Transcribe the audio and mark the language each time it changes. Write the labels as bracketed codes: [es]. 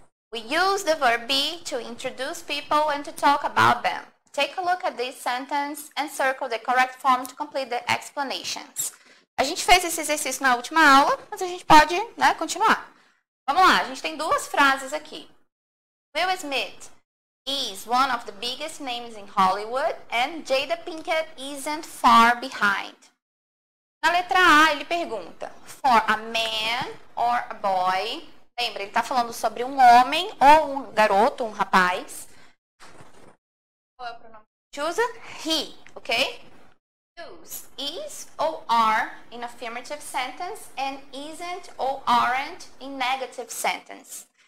[en] We use the verb be to introduce people and to talk about them. Take a look at this sentence and circle the correct form to complete the explanations. [pt] A gente fez esse exercício na última aula, mas a gente pode, né, continuar. Vamos lá, a gente tem duas frases aqui. [en] Will Smith is one of the biggest names in Hollywood and Jada Pinkett isn't far behind. [pt] Na letra A, ele pergunta, [en] for a man or a boy? [pt] Lembra, ele está falando sobre um homem ou um garoto, um rapaz. Qual é o pronome que a gente usa? [en] He, ok? Use is ou are in affirmative sentence and isn't ou aren't in negative sentence.